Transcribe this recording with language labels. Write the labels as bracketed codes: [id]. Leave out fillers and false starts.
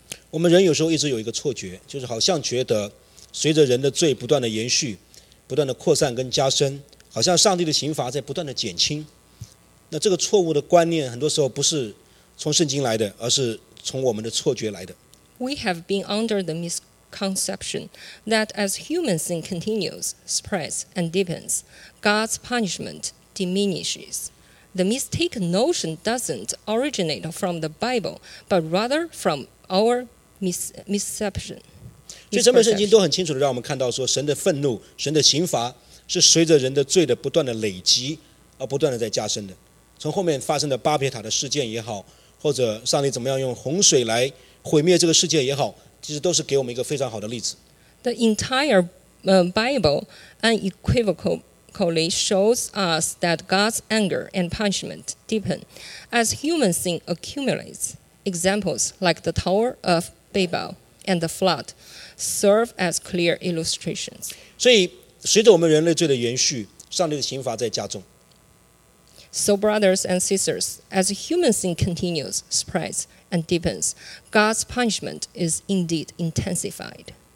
[zh] 我们人有时候一直有一个错觉, 就是好像觉得, 随着人的罪不断地延续, 不断地扩散跟加深, 好像上帝的刑罚在不断地减轻, 那这个错误的观念, 很多时候不是从圣经来的, 而是从我们的错觉来的。 [en] We have been under the misconception that as human sin continues, spreads, and deepens, God's punishment diminishes. The mistaken notion doesn't originate from the Bible, but rather from our misception. [zh] 所以整本圣经都很清楚地让我们看到说神的愤怒, 神的刑罚, 是随着人的罪的不断地累积, 而不断地在加深的。从后面发生的巴别塔的事件也好, 或者上帝怎么样用洪水来毁灭这个世界也好, 其实都是给我们一个非常好的例子。 [en] The entire Bible unequivocally shows us that God's anger and punishment deepen as human sin accumulates. Examples like the Tower of Babel and the Flood serve as clear illustrations. [zh] 所以随着我们人类罪的延续, 上帝的刑罚在加重。 [en] So brothers and sisters, as human sin continues, spreads, and deepens, God's punishment is indeed intensified.